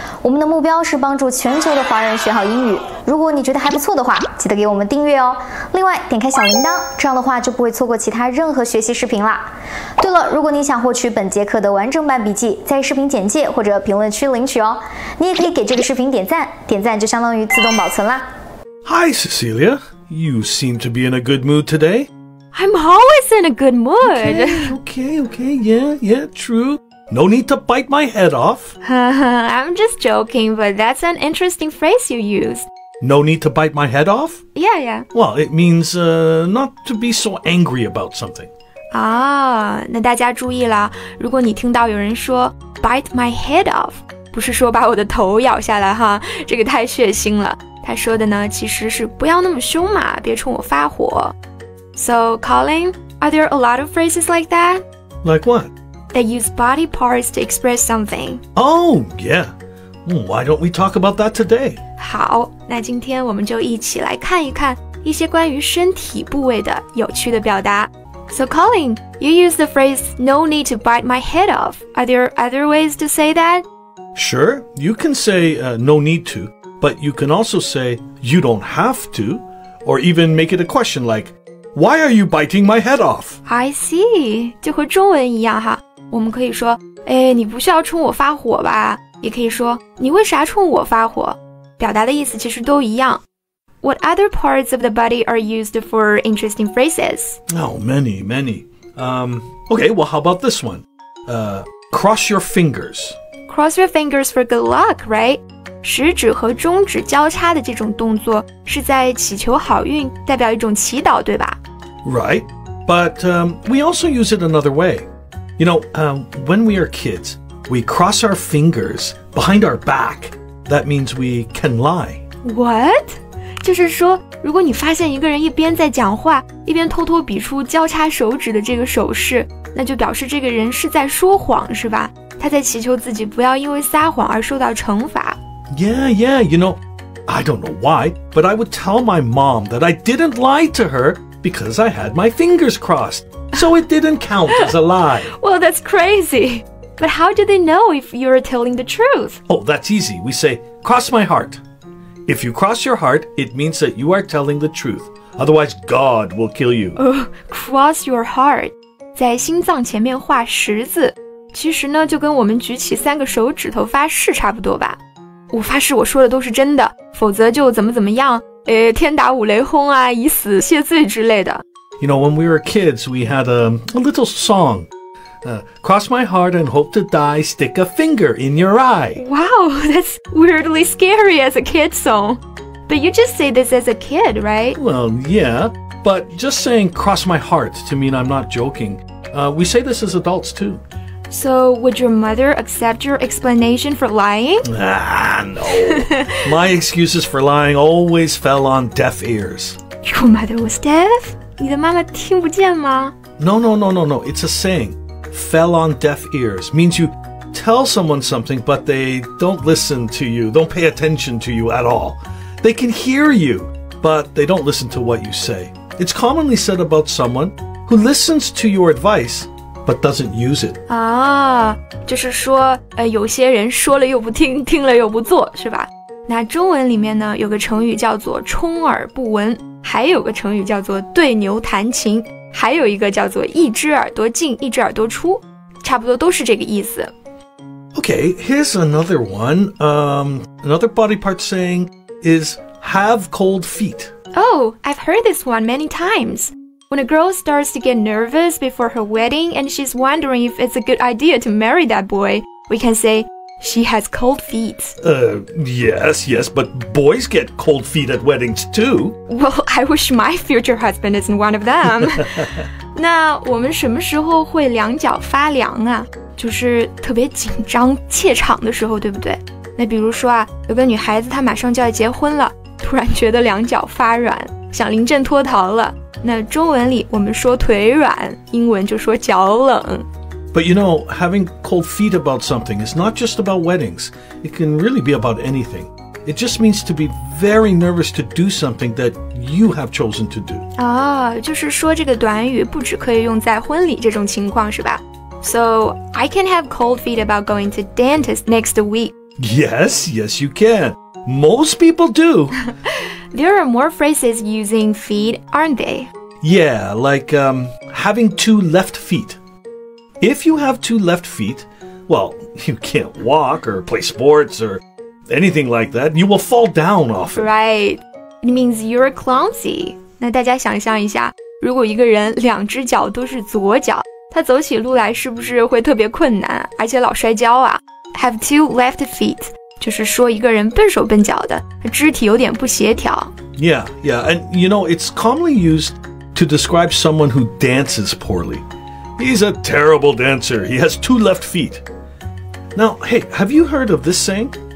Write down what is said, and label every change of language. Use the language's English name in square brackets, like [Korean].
[Chinese] 我们的目标是帮助全球的华人学好英语。如果你觉得还不错的话，记得给我们订阅哦。另外，点开小铃铛，这样的话就不会错过其他任何学习视频啦。对了，如果你想获取本节课的完整版笔记，在视频简介或者评论区领取哦。你也可以给这个视频点赞，点赞就相当于自动保存啦。 [English] Hi, Cecilia. You seem to be in a good mood today. I'm always in a good mood. Okay. Yeah, true. No need to bite my head off. I'm just joking, but that's an interesting phrase you used. No need to bite my head off? Yeah. Well, it means not to be so angry about something. [Chinese] 那大家注意了，如果你听到有人说 [English] bite my head off, [Chinese] 不是说把我的头咬下来哈，这个太血腥了。他说的呢其实是不要那么凶嘛，别冲我发火。 [English] So Colin, are there a lot of phrases like that? Like what? That use body parts to express something. Oh, yeah. Why don't we talk about that today? [Chinese] 好，那今天我们就一起来看一看一些关于身体部位的有趣的表达。 [English] So Colin, you use the phrase no need to bite my head off. Are there other ways to say that? Sure, you can say no need toBut you can also say, you don't have to, or even make it a question like, why are you biting my head off? I see, [Chinese] 就和中文一样哈，我们可以说，哎，你不需要冲我发火吧，也可以说，你为啥冲我发火，表达的意思其实都一样。 [English] What other parts of the body are used for interesting phrases? Oh, many. Okay, well, how about this one? Cross your fingers. Cross your fingers for good luck, right? [Chinese] 食指和中指交叉的这种动作是在祈求好运，代表一种祈祷，对吧？ [English] Right, but we also use it another way. You know, when we are kids, we cross our fingers behind our back. That means we can lie. What? [Chinese] 就是说，如果你发现一个人一边在讲话，一边偷偷比出交叉手指的这个手势，那就表示这个人是在说谎，是吧？他在祈求自己不要因为撒谎而受到惩罚。 [English] Yeah, you know, I don't know why, but I would tell my mom that I didn't lie to her because I had my fingers crossed, so it didn't count as a lie. Well, that's crazy. But how do they know if you're telling the truth? Oh, that's easy. We say, cross my heart. If you cross your heart, it means that you are telling the truth. Otherwise, God will kill you. Cross your heart. [Chinese] 在心脏前面画十字，其实呢，就跟我们举起三个手指头发誓差不多吧。我发誓我说的都是真的，否则就怎么怎么样，天打五雷轰啊，以死谢罪之类的。 [English] You know, when we were kids, we had a little song. Cross my heart and hope to die, stick a finger in your eye. Wow, that's weirdly scary as a kid song. But you just say this as a kid, right? Well, yeah, but just saying cross my heart to mean I'm not joking. We say this as adults too. So, would your mother accept your explanation for lying? Ah, no. My excuses for lying always fell on deaf ears. Your mother was deaf? [Chinese] 你的妈妈听不见吗？ [English] No. It's a saying. Fell on deaf ears means you tell someone something, but they don't listen to you, don't pay attention to you at all. They can hear you, but they don't listen to what you say. It's commonly said about someone who listens to your advice,but doesn't use it. [Chinese] 就是说有些人说了又不听，听了又不做，是吧？那中文里面呢有个成语叫做充耳不闻，还有个成语叫做对牛弹琴，还有一个叫做一只耳朵进一只耳朵出，差不多都是这个意思。 [English] Okay, here's another one. Another body part saying is have cold feet. Oh, I've heard this one many times. When a girl starts to get nervous before her wedding and she's wondering if it's a good idea to marry that boy, we can say, she has cold feet. Yes, but boys get cold feet at weddings too. Well, I wish my future husband isn't one of them. [Chinese] 那我们什么时候会两脚发凉啊？就是特别紧张怯场的时候，对不对？那比如说啊，有个女孩子她马上就要结婚了，突然觉得两脚发软，想临阵脱逃了。那中文里我们说腿软，英文就说脚冷。 [English] But you know, having cold feet about something is not just about weddings. It can really be about anything. It just means to be very nervous to do something that you have chosen to do. [Chinese] 哦，就是说这个短语不只可以用在婚礼这种情况，是吧？ [English] So, I can have cold feet about going to dentist next week. Yes, yes you can. Most people do. There are more phrases using feet, aren't they? Yeah, like having two left feet. If you have two left feet, well, you can't walk or play sports or anything like that. You will fall down often. Right. It means you're clumsy. [Chinese] 那大家想象一下，如果一个人两只脚都是左脚，他走起路来是不是会特别困难，而且老摔跤啊？ [English] Have two left feet. [Chinese] 就是说一个人笨手笨脚的，肢体有点不协调。 [English] Yeah, yeah. And you know, it's commonly used to describe someone who dances poorly. He's a terrible dancer. He has two left feet. Now, hey, have you heard of this saying?